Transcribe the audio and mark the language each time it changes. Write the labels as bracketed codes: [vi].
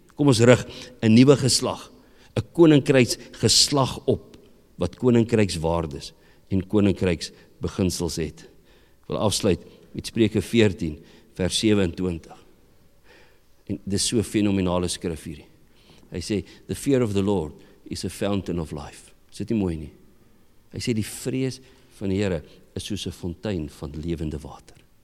[af] Kom ons rig 'n nuwe geslag, 'n koninkryks geslag op, wat koninkryks waardes en koninkryks beginsels het. Ek wil afsluit met Spreuke 14 vers 27. En dis so 'n fenominale skrif hierdie. Hy sê, [en] the fear of the Lord is a fountain of life. [af] Is dit nie mooi nie? Hy sê, die vrees van die Here is soos 'n fontein van lewende water.